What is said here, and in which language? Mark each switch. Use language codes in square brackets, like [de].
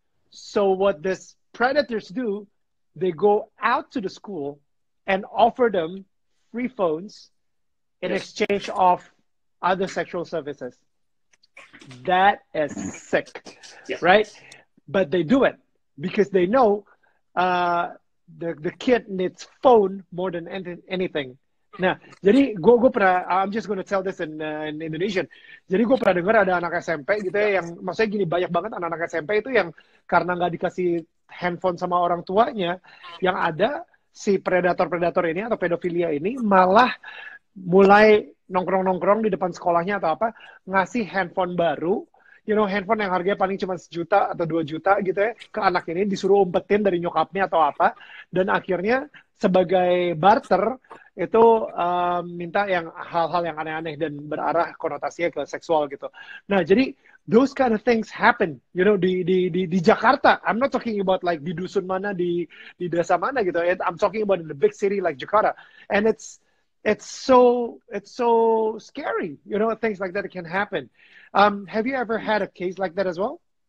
[en] So what these predators do, they go out to the school and offer them free phones in exchange of other sexual services. That is sick, yeah, right? But they do it because they know the kid needs phone more than anything. [id] Nah, jadi gue pernah, [en] I'm just gonna tell this in Indonesian. [id] Jadi gue pernah dengar ada anak SMP gitu ya, yang maksudnya gini, banyak banget anak-anak SMP itu yang karena nggak dikasih handphone sama orang tuanya, yang ada si predator-predator ini atau pedofilia ini malah mulai nongkrong-nongkrong di depan sekolahnya atau apa, ngasih handphone baru, [en] you know, [id] handphone yang harganya paling cuma 1 juta atau 2 juta gitu ya, ke anak ini, disuruh umpetin dari nyokapnya atau apa, dan akhirnya sebagai barter, itu minta yang hal-hal yang aneh-aneh dan berarah konotasinya ke seksual gitu. Nah, jadi [en] those kind of things happen, you know, [id] di Jakarta. [en] I'm not talking about like [id] di dusun mana, di desa mana gitu, [en] I'm talking about in the big city like Jakarta, and it's so scary, you know, things like that can happen. Have you ever had a case like that as well?